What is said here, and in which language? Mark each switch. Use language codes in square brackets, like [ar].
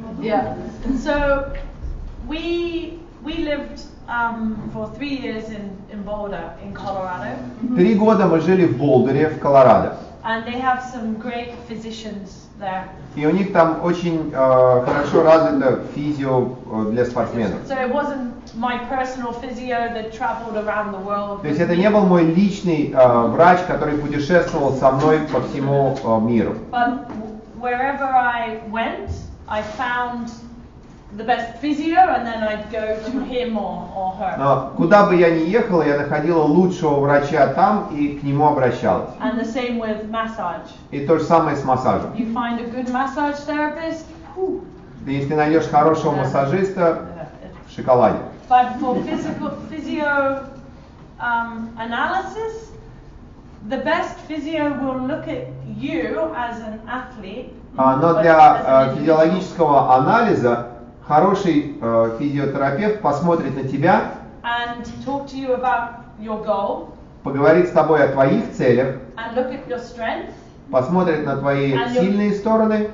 [en] Yeah. So we lived for 3 years in Boulder in Colorado. [ru] 3 года мы жили в Болдере в Колорадо. [en] And they have some great physicians there. [ru] И у них там очень хорошо развито физио для спортсменов. [en] So it wasn't my personal physio that traveled around the world. [ru] То есть это не был мой личный врач, который путешествовал со мной по всему миру. [en] But wherever I went, I found the best physio, and then I'd go to him or her. [ru] Но куда бы я ни ехала, я находила лучшего врача там и к нему обращалась. [en] And the same with massage. [ru] И то же самое с массажем. [en] You find a good massage therapist. Whew. [ru] Если найдешь хорошего массажиста, в шоколаде. [en] But for physio analysis, the best physio will look at you as an athlete. [ru] Но для физиологического анализа хороший физиотерапевт посмотрит на тебя, [en] and talk to you about your goal, [ru] поговорит с тобой о твоих целях, [en] and look at your strength, [ru] посмотрит на твои сильные стороны